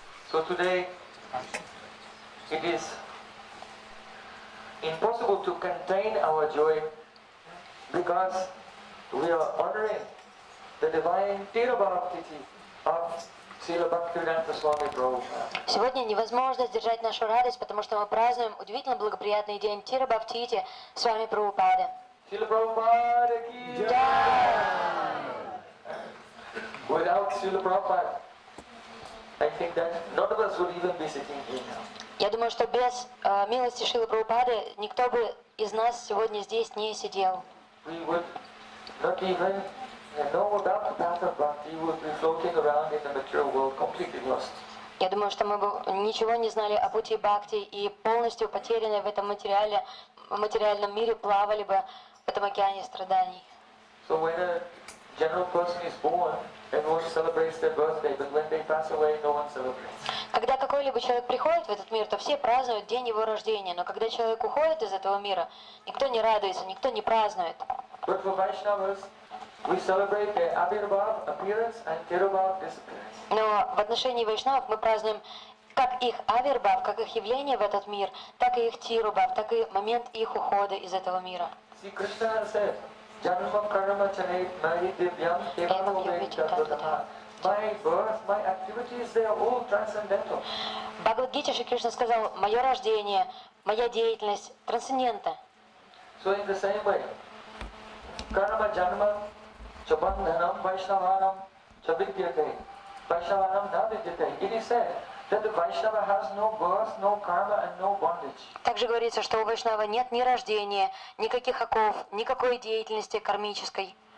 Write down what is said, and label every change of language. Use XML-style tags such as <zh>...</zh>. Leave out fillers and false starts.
<en>So today it is impossible to contain our joy because we are honoring the divine Tirubhakti of Srila Bhaktivedanta Swami Prabhupada.</en> <ru>Сегодня невозможно сдержать нашу радость, потому что мы празднуем удивительно благоприятный день Тирубхактити с вами Прабхупады.</ru> <hi>Srila Prabhupada ki jai.</hi> <en>Without Srila Prabhupada, I think that none of us would even be sitting here now.</en> <ru>Я думаю, что без милости Шрилы Прабхупады никто бы из нас сегодня здесь не сидел.</ru> <en>We would not even know about the path of bhakti. We would be floating around in the material world, completely lost.</en> <ru>Я думаю, что мы бы ничего не знали о пути бхакти и полностью потерянные в этом материальном мире плавали бы в этом океане страданий.</ru> <en>So when a general person is born, everyone celebrates their birthday, but when they pass away, no one celebrates.</en> <ru>Когда какой-либо человек приходит в этот мир, то все празднуют день его рождения, но когда человек уходит из этого мира, никто не радуется, никто не празднует.</ru> <en>But for Vaishnavas, we celebrate the Abhirbhav appearance and Tirubhav disappearance.</en> <ru>Но в отношении вайшнавов мы празднуем как их Абхирбхав, как их явление в этот мир, так и их Тирубхав, так и момент их ухода из этого мира.</ru> <sa>See, Krishna said, Janma karma chane nahi divyam evam yogicchatatatha.</sa> <en>My birth, my activities, they are all transcendental.</en> <ru>Бхагавад-гите же Кришна сказал, мое рождение, моя деятельность трансцендента.</ru> <en>So in the same way,</en> <sa>karma janma cha bandhanam vaishnavanam cha vidyate vaishnavanam na vidyate.</sa> <en>It is said that the Vaishnava has no birth, no karma, and no bondage.</en> <ru>Также говорится, что у Вайшнава нет ни рождения, никаких оков, никакой деятельности кармической.</ru>